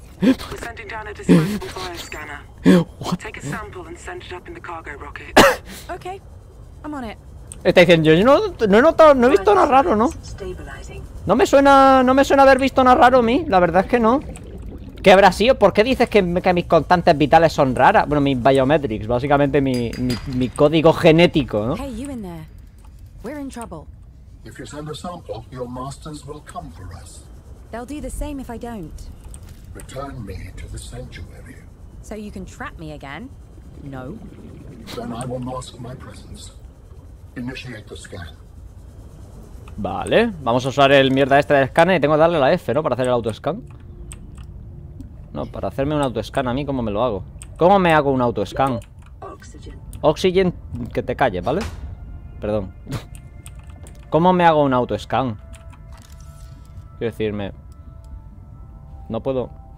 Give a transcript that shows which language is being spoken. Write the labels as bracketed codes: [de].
[en] We're sending down a disposable fire scanner. What? Take a sample and send it up in the cargo rocket. Okay, I'm on it. [es] Está diciendo, yo no he visto nada raro, ¿no? No me suena haber visto nada raro a mí, la verdad es que no. ¿Qué habrá sido? ¿Por qué dices que mis constantes vitales son raras? Bueno, mis biometrics, básicamente mi código genético, ¿no? [en] Hey, you in there. We're in trouble. If you send a sample, your masters will come for us. They'll do the same if I don't. Return me to the sanctuary. So you can trap me again? No. Then I will mask my presence. Initiate the scan. [es] Vale, vamos a usar el mierda este de escáner y tengo que darle la F, ¿no? Para hacer el autoscan. No, para hacerme un autoscan a mí, ¿cómo me lo hago? ¿Cómo me hago un autoscan? [en] Oxygen. [es] Oxygen, que te calles, ¿vale? Perdón. ¿Cómo me hago un autoscan? Quiero decirme. No puedo.